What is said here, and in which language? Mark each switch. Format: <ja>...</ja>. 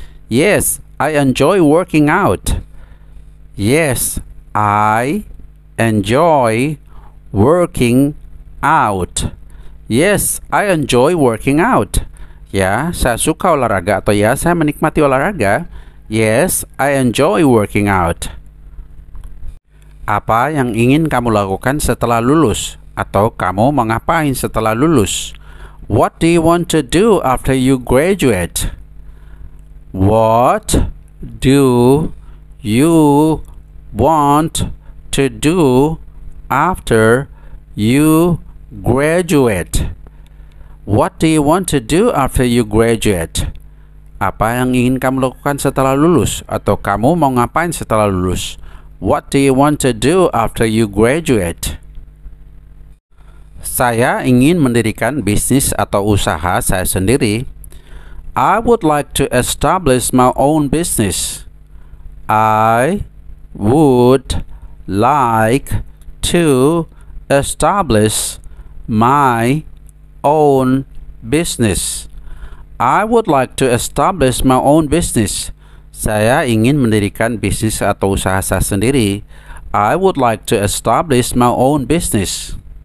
<en>Yes, I enjoy working out. Yes, I enjoy working out. Yes, I enjoy working out.</en> <id>Ya, saya suka olahraga atau ya, saya menikmati olahraga.</id> <en>Yes, I enjoy working out.</en> <id>Apa yang ingin kamu lakukan setelah lulus? Atau kamu mau ngapain setelah lulus?</id> <en>What do you want to do after you graduate? What do you want to do after you graduate? What do you want to do after you graduate?</en> <id>Apa yang ingin kamu lakukan setelah lulus? Atau kamu mau ngapain setelah lulus?</id> <en>What do you want to do after you graduate?</en> <id>Saya ingin mendirikan bisnis atau usaha saya sendiri.</id> <en>I would like to establish my own business. I would like to establish my own business. I would like to establish my own business.</en> <id>Saya ingin mendirikan bisnis atau usaha saya sendiri.</id> <en>I would like to establish my own business.</en>